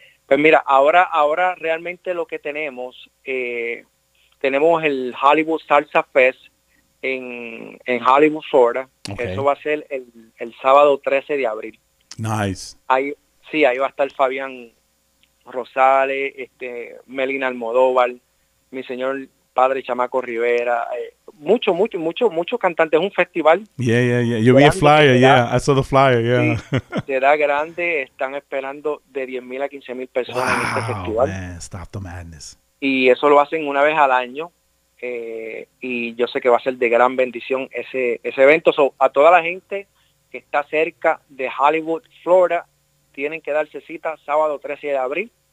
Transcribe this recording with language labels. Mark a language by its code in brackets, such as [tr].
[es] Pues mira, ahora realmente lo que tenemos, tenemos el Hollywood Salsa Fest en Hollywood, Florida. Okay. Eso va a ser el sábado 13 de abril. [en] Nice. [es] Ahí va a estar Fabián Rosales, Melina Almodóvar, mi señor padre Chamaco Rivera, mucho cantante. Es un festival. [en] Yeah. You'll be a flyer, I saw the flyer, yeah. [es] Sí, de edad grande, están esperando de 10,000 a 15,000 personas, [en] wow, [es] en este festival. [en] Man, stop the madness. [es] Y eso lo hacen una vez al año. Y yo sé que va a ser de gran bendición ese evento. So, a toda la gente que está cerca de Hollywood, Florida, tienen que darse cita sábado 13 de abril.